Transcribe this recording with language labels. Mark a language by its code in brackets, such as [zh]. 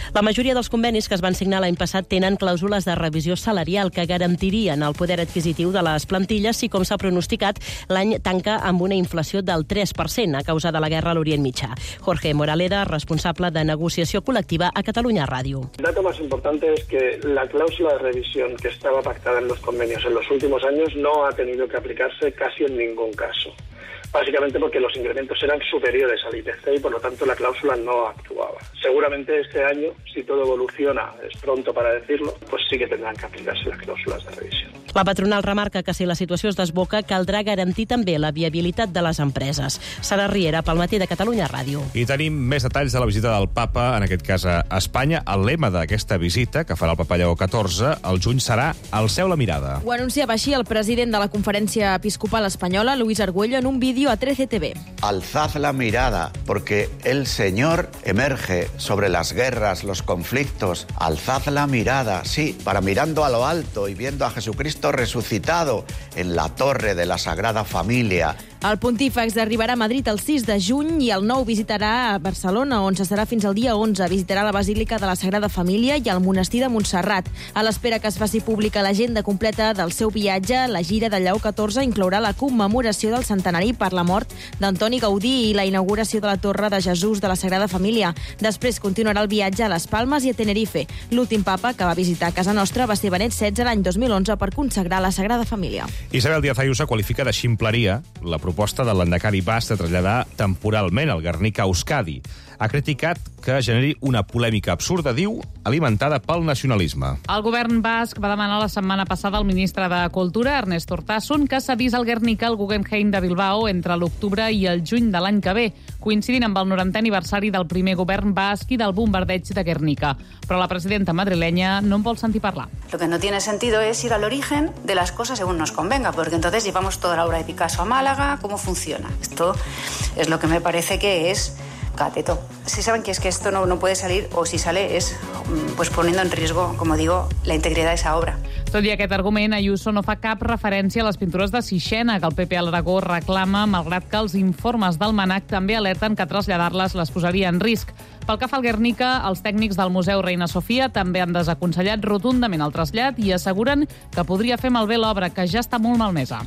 [ca] La majoria dels convenis que es van signar l'any passat tenen clàusules de revisió salarial que garantirien el poder adquisitiu de les plantilles si, com s'ha pronosticat, l'any tanca amb una inflació del 3% a causa de la guerra a l'Orient Mitjà. Jorge Moraleda, responsable de negociació col·lectiva a Catalunya Ràdio. [es] El dato más importante es que la cláusula de revisión que estaba pactada en los convenios en los últimos años no ha tenido que aplicarse casi en ningún caso. Básicamente porque los incrementos eran superiores al IPC y por lo tanto la cláusula no actuaba. Seguramente este año, si todo evoluciona, es pronto para decirlo, pues sí que tendrán que aplicarse las cláusulas de revisión. [ca] La patronal remarca que si la situació es desboca, caldrà garantir també la viabilitat de les empreses. Sara Riera, pel matí de Catalunya Ràdio. I tenim més detalls de la visita del Papa, en aquest cas a Espanya. El lema d'aquesta visita, que farà el Papa Lleó 14, el juny serà Alceu la mirada. Ho anunciava així el president de la Conferència Episcopal Espanyola, Luis Argüello, en un vídeo a 13TV. [es] Alzad la mirada, porque el Señor emerge sobre las guerras, los conflictos. Alzad la mirada, sí, para mirando a lo alto y viendo a Jesucristo resucitado en la torre de la Sagrada Familia. [ca] El pontífex arribarà a Madrid el 6 de juny i el 9 visitarà Barcelona, on s'estarà fins al dia 11. Visitarà la Basílica de la Sagrada Família i el Monestir de Montserrat. A l'espera que es faci pública l'agenda completa del seu viatge, la gira de Lleó 14 inclourà la commemoració del centenari per la mort d'Antoni Gaudí i la inauguració de la Torre de Jesús de la Sagrada Família. Després continuarà el viatge a Les Palmes i a Tenerife. L'últim papa que va visitar casa nostra va ser Benet XVI l'any 2011 per consagrar la Sagrada Família. Isabel Díaz Ayuso qualifica de ximpleria la proposta de l'endecari Bas de traslladar temporalment el Guernica a Euskadi. Ha criticat que generi una polèmica absurda, diu, alimentada pel nacionalisme. El govern basc va demanar la setmana passada al ministre de Cultura, Ernest Urtasun, que s'avís el Guernica al Guggenheim de Bilbao entre l'octubre i el juny de l'any que ve, coincidint amb el 90è aniversari del primer govern basc i del bombardeig de Guernica. Però la presidenta madrilenya no en vol sentir parlar. [es] Lo que no tiene sentido es ir al origen de las cosas según nos convenga, porque entonces llevamos toda la obra de Picasso a Málaga, ¿cómo funciona? Esto es lo que me parece que es... Si saben que es que esto no puede salir, o si sale es pues poniendo en riesgo, como digo, la integridad de esa obra. [ca] Tot i aquest argument, Ayuso no fa cap referència a les pintures de Sixena, que el PP a l'Aragó reclama, malgrat que els informes del MNAC també alerten que traslladar-les les posaria en risc. Pel que fa al Guernica, els tècnics del Museu Reina Sofia també han desaconsellat rotundament el trasllat i asseguren que podria fer malbé l'obra, que ja està molt malmesa.